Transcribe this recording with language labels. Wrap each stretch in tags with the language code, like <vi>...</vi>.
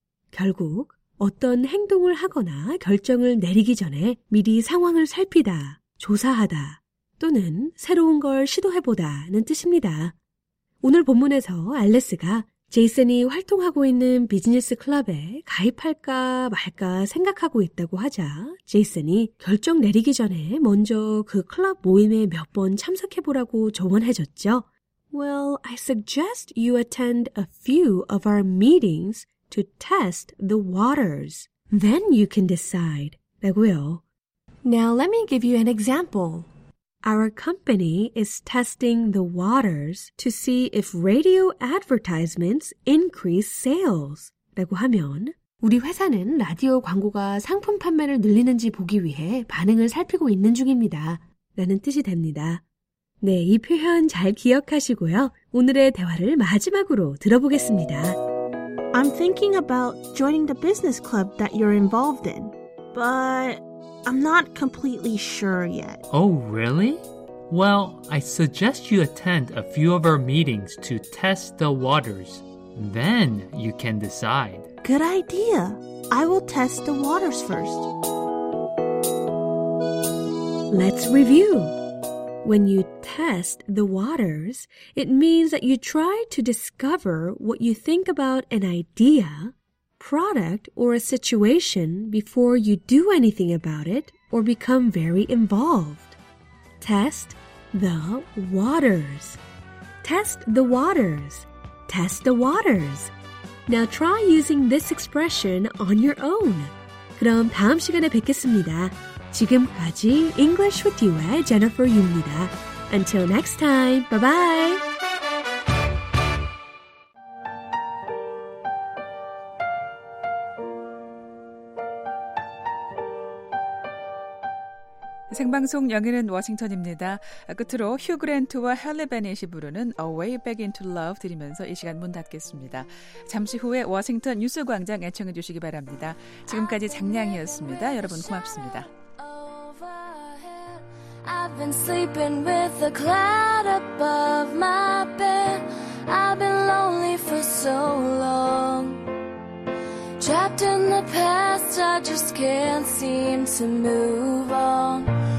<ko>결국 어떤 행동을 하거나 결정을 내리기 전에 미리 상황을 살피다, 조사하다, 또는 새로운 걸 시도해보다는 뜻입니다. 오늘 본문에서 알리스가 제이슨이 활동하고 있는 비즈니스 클럽에 가입할까 말까 생각하고 있다고 하자 제이슨이 결정 내리기 전에 먼저 그 클럽 모임에 몇 번 참석해보라고 조언해줬죠.</ko> <en>Well, I suggest you attend a few of our meetings to test the waters. Then you can decide.</en> <ko>라고요.</ko> <en>Now let me give you an example. Our company is testing the waters to see if radio advertisements increase sales.</en> <ko>라고 하면 우리 회사는 라디오 광고가 상품 판매를 늘리는지 보기 위해 반응을 살피고 있는 중입니다. 라는 뜻이 됩니다. 네, 이 표현 잘 기억하시고요. 오늘의 대화를 마지막으로 들어보겠습니다.</ko> <en>I'm thinking about joining the business club that you're involved in, but I'm not completely sure yet. Oh, really? Well, I suggest you attend a few of our meetings to test the waters. Then you can decide. Good idea. I will test the waters first. Let's review. When you test the waters, it means that you try to discover what you think about an idea, product, or a situation before you do anything about it or become very involved. Test the waters. Test the waters. Test the waters. Now try using this expression on your own.</en> <ko>그럼 다음 시간에 뵙겠습니다. 지금까지 English with You의 Jennifer 유입니다.</ko> <en>Until next time, bye-bye!</en> <ko>The 생방송 영어는 워싱턴입니다. 끝으로 휴 그랜트와 헬리 베넷이 부르는 A Way Back Into Love 드리면서 이 시간 문 닫겠습니다. 잠시 후에 워싱턴 뉴스 광장 애청해 주시기 바랍니다. 지금까지 장량이었습니다. 여러분 고맙습니다.</ko> <en>I've been sleeping with a cloud above my bed. I've been lonely for so long. Trapped in the past, I just can't seem to move on.</en>